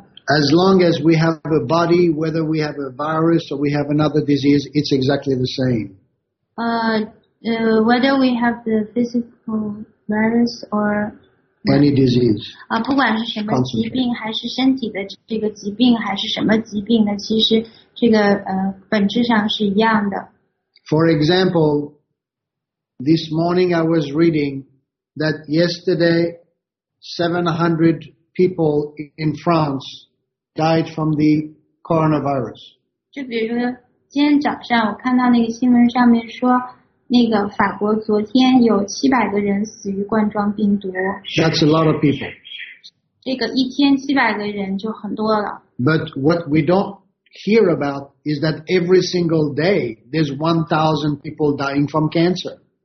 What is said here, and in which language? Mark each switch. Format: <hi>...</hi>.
<en>As long as we have a body, whether we have a virus or we have another disease, it's exactly the same. Whether we have the physical virus or any disease.</en> <zh>不管是什么疾病，还是身体的这个疾病，还是什么疾病呢？其实这个本质上是一样的。</zh> <en>For example, this morning I was reading that yesterday 700 people in France died from the coronavirus.</en> <zh>就比如说今天早上我看到那个新闻上面说</zh> <en>That's a lot of people.</en> <zh>这个一天700个人就很多了。</zh> <en>But what we don't hear about is that every single day there's 1,000 people dying from cancer.</en>